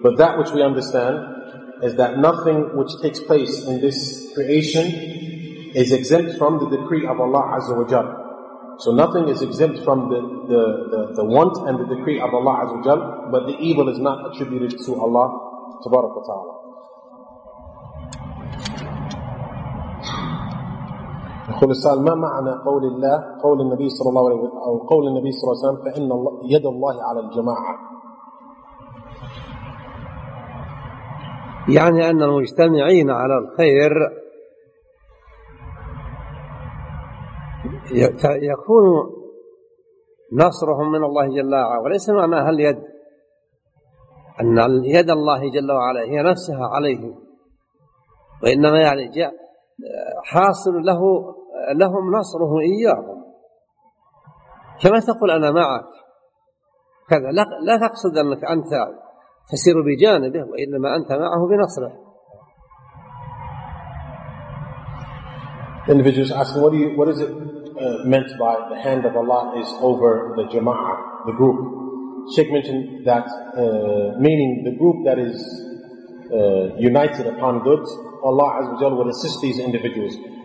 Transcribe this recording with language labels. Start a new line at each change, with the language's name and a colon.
English: But that which we understand is that nothing which takes place in this creation is exempt from the decree of Allah Azza wa Jalla. So nothing is exempt from the want and the decree of Allah Azza wa Jalla, but the evil is not attributed to Allah Tabarak wa Ta'ala.
Arabic: يقول السؤال ما معنى قول الله قول النبي صلى الله عليه وسلم أو قول النبي صلى الله عليه وسلم فإن يد الله على الجماعة؟ يعني أن المجتمعين على الخير يكون نصرهم من الله جل وعلا، وليس معناها اليد، أن يد الله جل وعلا هي نفسها عليهم، وإنما يعني جاء حاصل لهم نصره إياهم. كما تقول أنا معك كذا، لا تقصد أنك أنت تسير بجانبه، وإنما أنت معه بنصره.
English: Individuals asking, what is it meant by the hand of Allah is over the jama'ah, the group? Shaykh mentioned that meaning the group that is united upon goods, Allah Azza wa Jalla will assist these individuals.